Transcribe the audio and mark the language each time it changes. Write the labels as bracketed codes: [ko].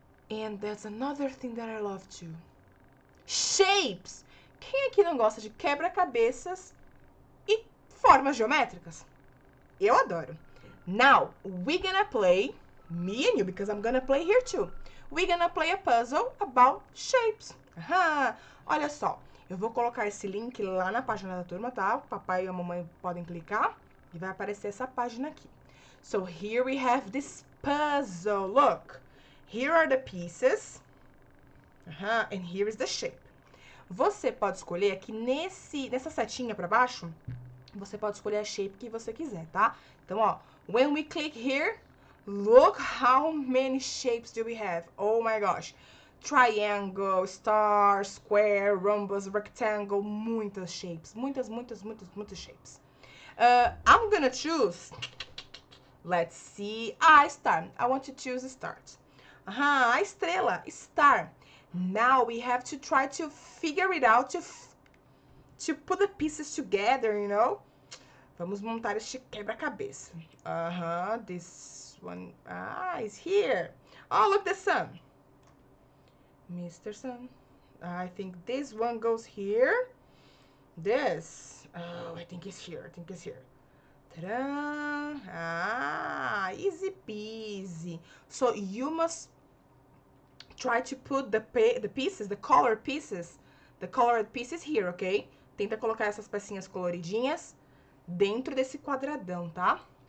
[en] And that's another thing that I love too. Shapes! [pt] Quem é que não gosta de quebra-cabeças e formas geométricas? Eu adoro. [en] Now, we're gonna play, me and you, because I'm gonna play here too. We're gonna play a puzzle about shapes. [pt] Olha só, eu vou colocar esse link lá na página da turma, tá? O papai e a mamãe podem clicar e vai aparecer essa página aqui. [en] So here we have this puzzle. Look, here are the pieces. And here is the shape. [pt] Você pode escolher aqui nessa setinha para baixo. Você pode escolher a shape que você quiser, tá? Então, ó, [en] when we click here, look how many shapes do we have? Oh my gosh. Triangle, star, square, rhombus, rectangle, [pt] muitas shapes. Muitas, muitas, muitas, muitas [en] shapes. I'm gonna choose. Let's see. Ah, star. I want to choose star. [pt] A estrela, [en] star. Now we have to try to figure it out to put the pieces together, you know? [pt] Vamos montar este quebra-cabeça. [en] This one. Ah, it's here. Oh, look, the sun. Mr. Sun. I think this one goes here. This. Oh, I think it's here. I think it's here. Ta-da! Ah, easy peasy. So you must try to put the pieces, the colored pieces here, ok? [pt] Tenta colocar essas pecinhas coloridinhas dentro desse quadradão, tá?